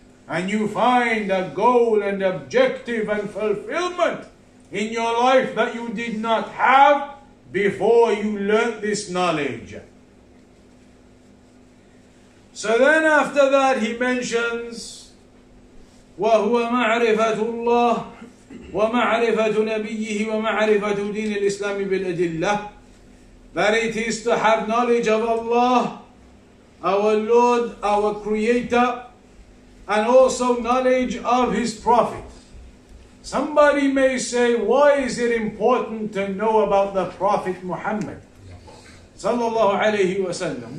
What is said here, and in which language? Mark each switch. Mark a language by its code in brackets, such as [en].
[en] And you find a goal and objective and fulfillment in your life that you did not have before you learned this knowledge. So then after that he mentions, [ar] وَهُوَ مَعْرِفَةُ اللَّهِ ومعرفة نبيه ومعرفة دين الإسلام بالأدلة. [en] That it is to have knowledge of Allah, our Lord, our Creator, and also knowledge of His Prophet. Somebody may say, why is it important to know about the Prophet Muhammad sallallahu alayhi wa sallam?